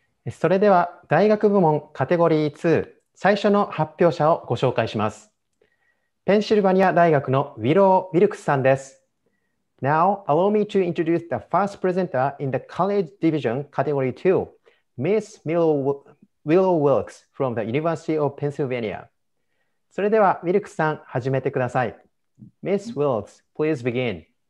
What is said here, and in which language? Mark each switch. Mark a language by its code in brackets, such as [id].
[ja] それでは大学部門カテゴリー2、最初の発表者をご紹介します。ペンシルバニア大学のウィロー・ウィルクスさんです。 [en] Now, allow me to introduce the first presenter in the College Division Category 2, Ms. Willow Wilkes from the University of Pennsylvania. [ja] それではウィルクスさん、始めてください。 [en] Ms. Wilkes, please begin.